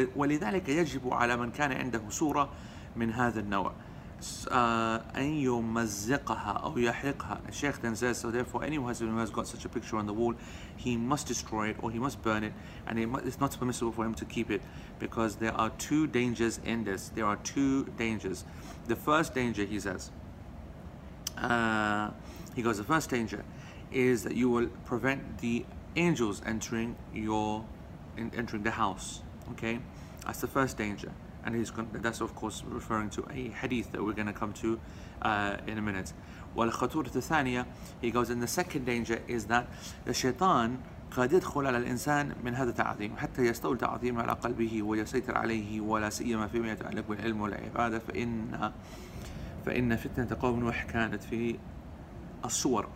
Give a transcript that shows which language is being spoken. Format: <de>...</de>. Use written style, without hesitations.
<ar>ولذلك يجب على من كان عنده صورة من هذا النوع أن يمزقها أو يحرقها.</ar> <en>Sheikh then says, so therefore anyone who has got such a picture on the wall, he must destroy it or he must burn it, and it's not permissible for him to keep it, because there are two dangers in this. There are two dangers. The first danger, he says, the first danger is that you will prevent the angels entering the house. Okay, that's the first danger. And that's of course referring to a hadith that we're going to come to in a minute. Wal khaturat athaniya, he goes, and the second danger is that the shaitan</en> <ar>قد يدخل على الإنسان من هذا التعظيم حتى يستولي تعظيمه على قلبه ويسيطر عليه ولا سيما فيما يتعلق بالعلم والعبادة فإن فتنة قوم نوح كانت في الصور.</ar>